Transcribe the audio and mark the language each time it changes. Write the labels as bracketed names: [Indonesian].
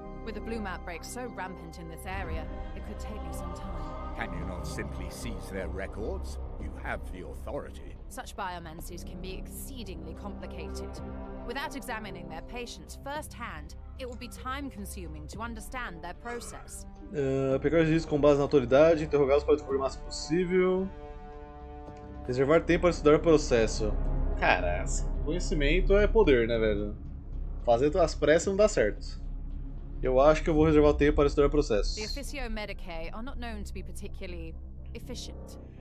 [English] With a bloom outbreak so rampant in this area, it could take me some time. Can you not simply seize their records? You have the authority. Such biomancies can be exceedingly complicated. Without examining their patients firsthand, it will be time-consuming to understand their process. [Portuguese] Pegar os registros com base na autoridade, interrogá-los para descobrir o máximo possível. Reservar tempo para estudar o processo. Cara, conhecimento é poder, né, velho? Fazer as pressas não dá certo. Eu acho que eu vou reservar o tempo para estudar o processo. [English] The officio medicae are not known to be particularly efficient.